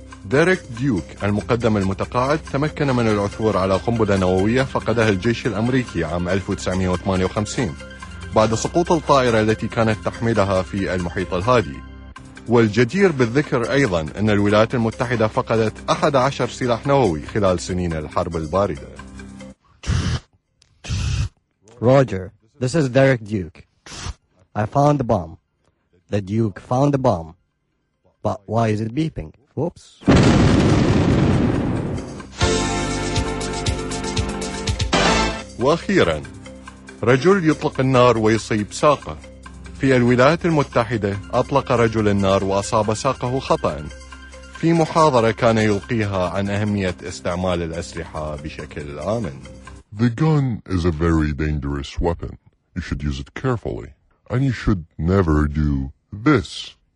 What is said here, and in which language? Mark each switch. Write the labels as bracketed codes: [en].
[ar] ديريك ديوك المقدم المتقاعد تمكن من العثور على قنبلة نووية فقدها الجيش الامريكي عام 1958 بعد سقوط الطائرة التي كانت تحملها في المحيط الهادي. والجدير بالذكر ايضا ان الولايات المتحدة فقدت 11 سلاح نووي خلال سنين الحرب الباردة. [en] Roger, this is Derek Duke. I found the bomb. The Duke found the bomb. But why is it beeping? Whoops. [ar] وأخيرا رجل يطلق النار ويصيب ساقه. في الولايات المتحدة أطلق رجل النار وأصاب ساقه خطأ في محاضرة كان يلقيها عن أهمية استعمال الأسلحة بشكل آمن. [en] The gun is a very dangerous weapon. You should use it carefully. And you should never do this.